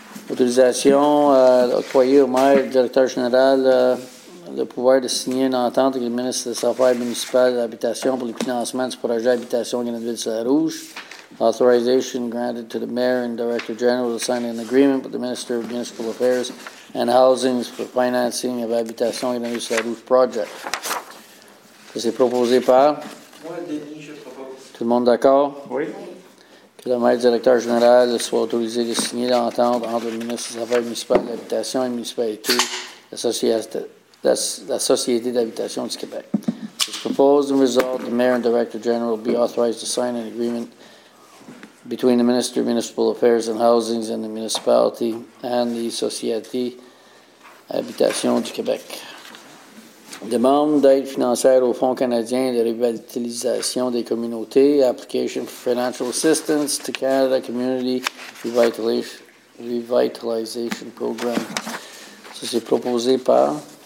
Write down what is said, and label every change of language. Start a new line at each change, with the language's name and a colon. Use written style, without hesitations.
French: Autorisation octroyée au maire, directeur général, le pouvoir de signer une entente avec le ministre des Affaires municipales de l'Habitation pour le financement du projet Habitation Grenadeville-Sarrouge.
English: Authorization granted to the mayor and director general to sign an agreement with the minister of municipal affairs and housing for financing of Habitation Grenadeville-Sarrouge project.
French: C'est proposé par? Moi, Denis, je propose. Tout le monde d'accord? Oui. Que le maire directeur général soit autorisé de signer l'entente entre le ministre des Affaires municipales de l'Habitation et la municipalité, la Société d'habitation du Québec.
English: This proposed and resolved, the mayor and director general be authorized to sign an agreement between the Minister of Municipal Affairs and Housing and the municipality and the Société d'habitation du Québec.
French: Demande d'aide financière au Fonds canadien de revitalisation des communautés.
English: Application for financial assistance to Canada Community Revitalization Program.
French: Ça, c'est proposé par?